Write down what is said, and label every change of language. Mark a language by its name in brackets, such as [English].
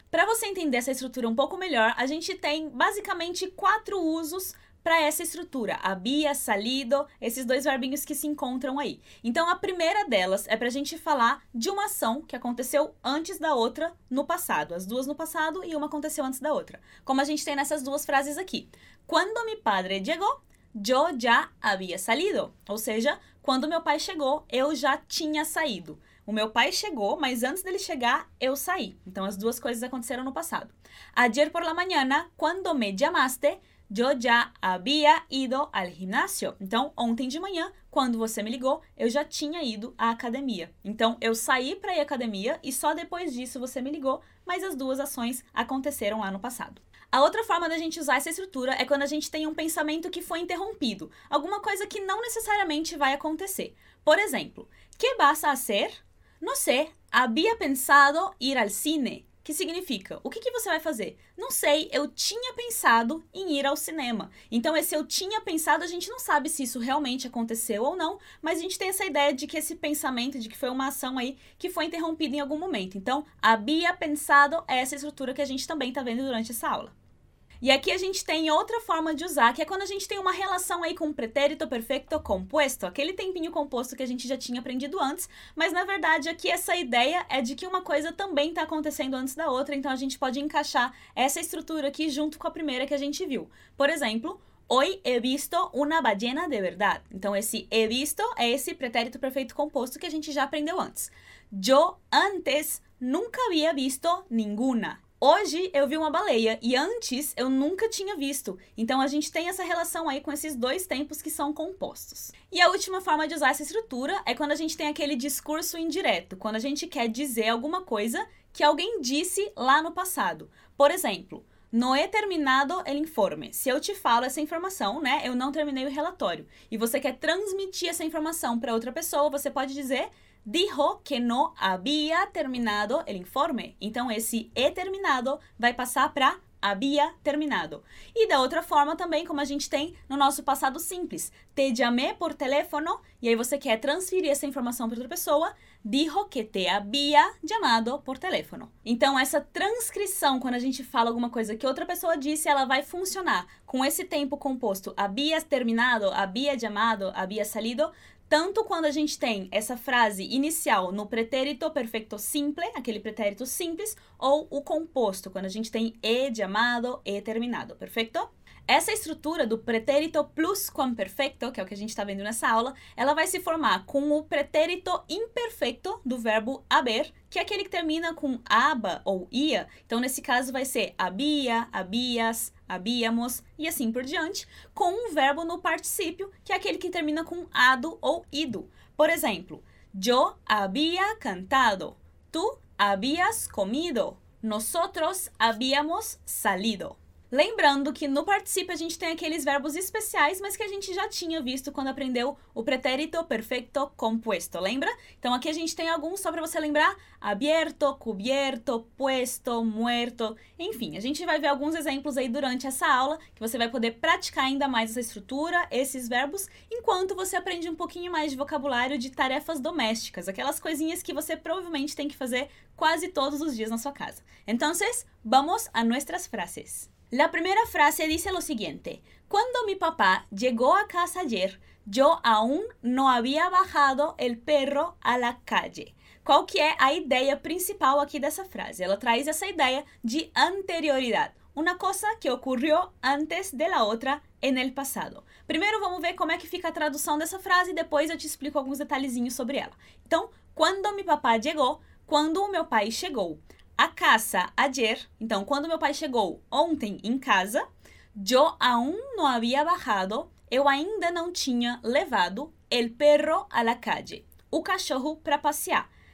[Portuguese] Para você entender essa estrutura um pouco melhor, a gente tem basicamente quatro usos para essa estrutura. Había, salido, esses dois verbinhos que se encontram aí. Então, a primeira delas é para a gente falar de uma ação que aconteceu antes da outra no passado. As duas no passado e uma aconteceu antes da outra. Como a gente tem nessas duas frases aqui. [Spanish] Cuando mi padre llegó, yo ya había salido. [Portuguese] Ou seja, quando meu pai chegou, eu já tinha saído. O meu pai chegou, mas antes dele chegar, eu saí. Então, as duas coisas aconteceram no passado. [Spanish] Ayer por la mañana, cuando me llamaste, yo ya había ido al gimnasio. [Portuguese] Então, ontem de manhã, quando você me ligou, eu já tinha ido à academia. Então, eu saí para ir à academia e só depois disso você me ligou, mas as duas ações aconteceram lá no passado. A outra forma da gente usar essa estrutura é quando a gente tem um pensamento que foi interrompido. Alguma coisa que não necessariamente vai acontecer. Por exemplo, [Spanish] ¿qué vas a hacer? No sé, había pensado ir al cine. [Portuguese] Que significa, o que, que você vai fazer? Não sei, eu tinha pensado em ir ao cinema. Então, esse eu tinha pensado, a gente não sabe se isso realmente aconteceu ou não, mas a gente tem essa ideia de que esse pensamento, de que foi uma ação aí, que foi interrompida em algum momento. Então, había pensado é essa estrutura que a gente também está vendo durante essa aula. E aqui a gente tem outra forma de usar, que é quando a gente tem uma relação aí com o pretérito perfeito composto, aquele tempinho composto que a gente já tinha aprendido antes, mas na verdade aqui essa ideia é de que uma coisa também está acontecendo antes da outra, então a gente pode encaixar essa estrutura aqui junto com a primeira que a gente viu. Por exemplo, [Spanish] hoy he visto una ballena de verdad. [Portuguese] Então esse he visto é esse pretérito perfeito composto que a gente já aprendeu antes. [Spanish] Yo antes nunca había visto ninguna. [Portuguese] Hoje eu vi uma baleia e antes eu nunca tinha visto. Então a gente tem essa relação aí com esses dois tempos que são compostos. E a última forma de usar essa estrutura é quando a gente tem aquele discurso indireto, quando a gente quer dizer alguma coisa que alguém disse lá no passado. Por exemplo, [Spanish] no he terminado el informe. [Portuguese] Se eu te falo essa informação, né, eu não terminei o relatório. E você quer transmitir essa informação para outra pessoa, você pode dizer [Spanish] dijo que no había terminado el informe. [Portuguese] Então, esse he terminado vai passar para había terminado. E da outra forma também, como a gente tem no nosso passado simples. [Spanish] Te llamé por teléfono. [Portuguese] E aí você quer transferir essa informação para outra pessoa. [Spanish] Dijo que te había llamado por teléfono. [Portuguese] Então, essa transcrição, quando a gente fala alguma coisa que outra pessoa disse, ela vai funcionar com esse tempo composto. [Spanish] Había terminado, había llamado, había salido. [Portuguese] Tanto quando a gente tem essa frase inicial no pretérito perfeito simple, aquele pretérito simples, ou o composto, quando a gente tem e de amado, e terminado, perfeito? Essa estrutura do pretérito pluscuamperfeito, que é o que a gente está vendo nessa aula, ela vai se formar com o pretérito imperfeito do verbo haber, que é aquele que termina com aba ou ia. Então, nesse caso, vai ser había, habías, habíamos e assim por diante, com um verbo no particípio, que é aquele que termina com ado ou ido. Por exemplo, [Spanish] yo había cantado, tú habías comido, nosotros habíamos salido. [Portuguese] Lembrando que no participe a gente tem aqueles verbos especiais, mas que a gente já tinha visto quando aprendeu o pretérito perfeito compuesto, lembra? Então aqui a gente tem alguns só para você lembrar: [Spanish] abierto, cubierto, puesto, muerto. [Portuguese] Enfim, a gente vai ver alguns exemplos aí durante essa aula, que você vai poder praticar ainda mais essa estrutura, esses verbos, enquanto você aprende um pouquinho mais de vocabulário de tarefas domésticas, aquelas coisinhas que você provavelmente tem que fazer quase todos os dias na sua casa. [Spanish] Então, vamos a nuestras frases. La primera frase dice lo siguiente: cuando mi papá llegó a casa ayer, yo aún no había bajado el perro a la calle. [Portuguese] Qual que é a ideia principal aqui dessa frase? Ela traz essa ideia de [Spanish] anterioridad, una cosa que ocurrió antes de la otra en el pasado. [Portuguese] Primeiro vamos ver como é que fica a tradução dessa frase e depois eu te explico alguns detalhezinhos sobre ela. Então, [Spanish] cuando mi papá llegó, [Portuguese] quando o meu pai chegou. [Spanish] A casa ayer, [Portuguese] então quando meu pai chegou ontem em casa, [Spanish] yo aún no había bajado, [Portuguese] eu ainda não tinha levado [Spanish] el perro a la calle, [Portuguese] o cachorro para passear.